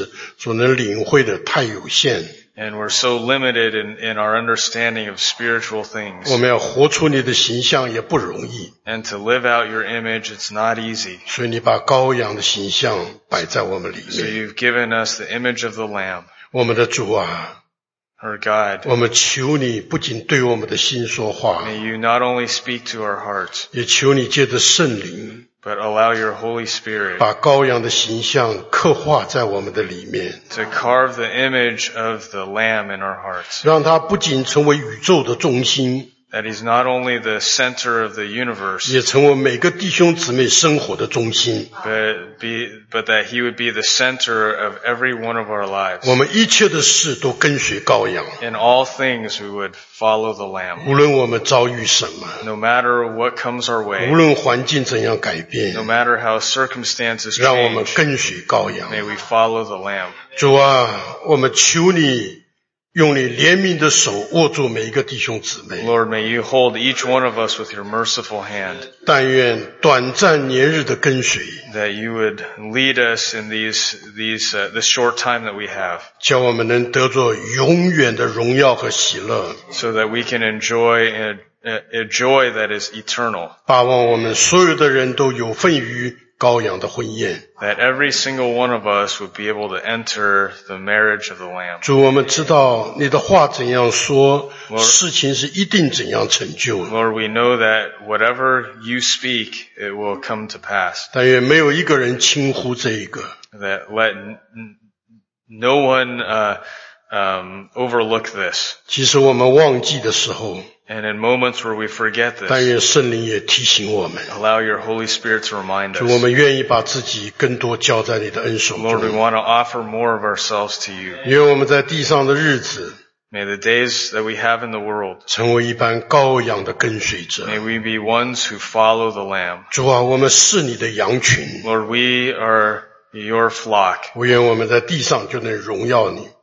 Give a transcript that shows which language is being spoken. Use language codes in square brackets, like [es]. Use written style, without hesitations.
[zh] 我们对属灵的事、属天的事所能领会的太有限。 [en] And we're so limited in our understanding of spiritual things. [zh] 我们要活出你的形象也不容易。 [en] And to live out your image, it's not easy. [zh] 所以你把羔羊的形象摆在我们里面。 [en] So you've given us the image of the Lamb. [zh] 我们的主啊。 [en] Our God. [zh] 我们求你不仅对我们的心说话。 [en] May you not only speak to our hearts. [zh] 也求你借着圣灵。 [en] But allow your Holy Spirit [zh] 把羔羊的形象刻画在我们的里面, [en] to carve the image of the Lamb in our hearts. [zh] 让它不仅成为宇宙的中心, [en] that he's not only the center of the universe, [zh] 也成为每个弟兄姊妹生活的中心, [en] but that he would be the center of every one of our lives. [zh] 我们一切的事都跟随羔羊, [en] in all things we would follow the Lamb. [zh] 无论我们遭遇什么, [en] no matter what comes our way, [zh] 无论环境怎样改变, [en] no matter how circumstances change, [zh] 让我们跟随羔羊, [en] may we follow the Lamb. [zh] 主啊, 我们求你, 用你怜悯的手握住每一个弟兄姊妹。 [en] Lord, may you hold each one of us with your merciful hand. [zh] 但愿短暂年日的跟随, [en] that you would lead us in this short time that we have. [zh] 叫我们能得着永远的荣耀和喜乐, [en] so that we can enjoy a joy that is eternal. [zh] 把我们所有的人都有份于 [en] that every single one of us would be able to enter the marriage of the Lamb. [zh] 主，我们知道你的话怎样说, [en] Lord, we know that whatever you speak, it will come to pass. [zh] 但愿没有一个人轻忽这一个, [en] that let no one overlook this. [zh] 其实我们忘记的时候, [en] and in moments where we forget this, [zh] 但愿圣灵也提醒我们, [en] allow your Holy Spirit to remind us. [zh] 主，我们愿意把自己更多交在你的恩手中。 [en] Lord, we want to offer more of ourselves to you. [zh] 愿我们在地上的日子, [en] may the days that we have in the world, [zh] 成为一般羔羊的跟随者。 [en] May we be ones who follow the Lamb. [zh] 主啊, 我们是你的羊群。 [en] Lord, we are your flock. [zh] 愿我们在地上就能荣耀你。